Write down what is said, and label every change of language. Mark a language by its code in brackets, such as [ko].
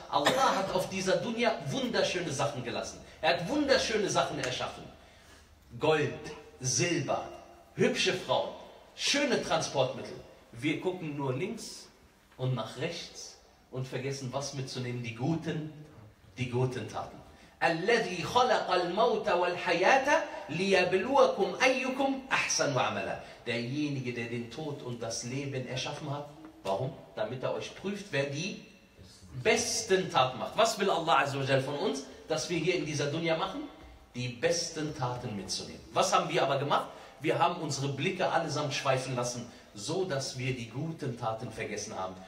[de] Allah hat auf dieser Dunya wunderschöne Sachen gelassen. Er hat wunderschöne Sachen erschaffen. Gold, Silber, hübsche Frauen, schöne Transportmittel. Wir gucken nur links und nach rechts und vergessen, was mitzunehmen. Die guten Taten. [ar] الذي خلق الموت والحياة ليبلوكم أيكم أحسن وعملا. [de] Derjenige, der den Tod und das Leben erschaffen hat. Warum? Damit er euch prüft, wer die besten Taten macht. Was will Allah Azza wa Jalla von uns, dass wir hier in dieser Dunya machen? Die besten Taten mitzunehmen. Was haben wir aber gemacht? Wir haben unsere Blicke allesamt schweifen lassen, so dass wir die guten Taten vergessen haben.